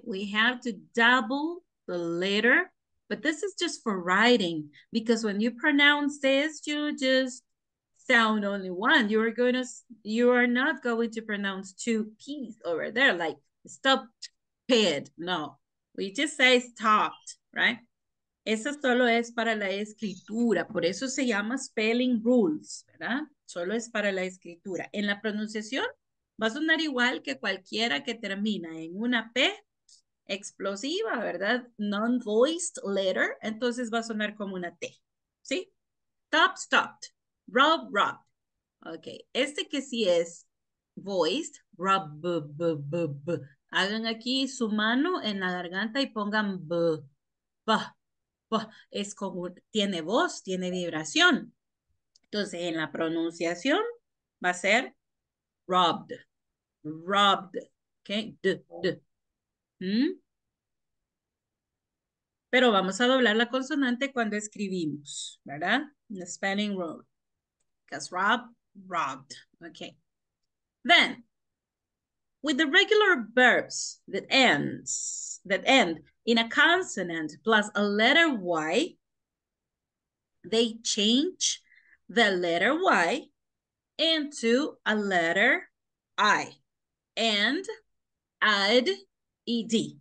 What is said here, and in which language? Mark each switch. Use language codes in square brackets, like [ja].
[en] We have to double the letter, but this is just for writing, because when you pronounce this, you just sound only one. You are not going to pronounce two P's over there, like stopped, head. No, we just say stopped, right? [es] Eso solo es para la escritura, por eso se llama spelling rules, ¿verdad? Solo es para la escritura. En la pronunciación va a sonar igual que cualquiera que termina en una P explosiva, ¿verdad? [en] Non-voiced letter, [es] entonces va a sonar como una T, ¿sí? [en] Top, stopped, rub, rub. Ok, [es] este que sí es [en] voiced, rub, b, b, b, b. [es] Hagan aquí su mano en la garganta y pongan b, b. Es como, tiene voz, tiene vibración. Entonces, en la pronunciación va a ser robbed, robbed, okay, d, d. ¿Mm? Pero vamos a doblar la consonante cuando escribimos, ¿verdad? [en] The spelling rule. Because rob, robbed, okay. Then, with the regular verbs that end in a consonant plus a letter Y, they change the letter Y into a letter I and add ED.